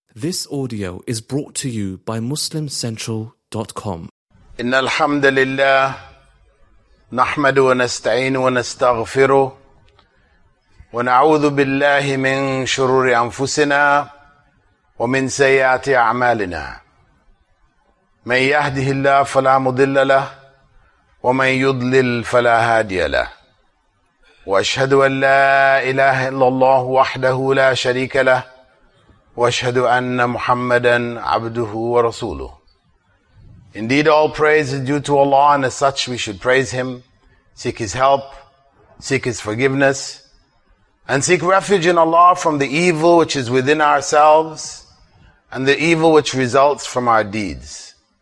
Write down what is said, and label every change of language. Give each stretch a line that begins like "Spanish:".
English: This audio is brought to you by MuslimCentral.com.
Arabic: إن الحمد لله نحمد ونستعين ونستغفره ونعوذ بالله من شرور أنفسنا ومن سيئات أعمالنا. من يهده الله فلا مضل له ومن يضلل فلا هادي له. وأشهد أن لا إله إلا الله وحده لا شريك له وأشهد أن محمدا عبده ورسوله.
English: Indeed, all praise is due to Allah, and as such we should praise Him, seek His help, seek His forgiveness, and seek refuge in Allah from the evil which is within ourselves and the evil which results from our deeds.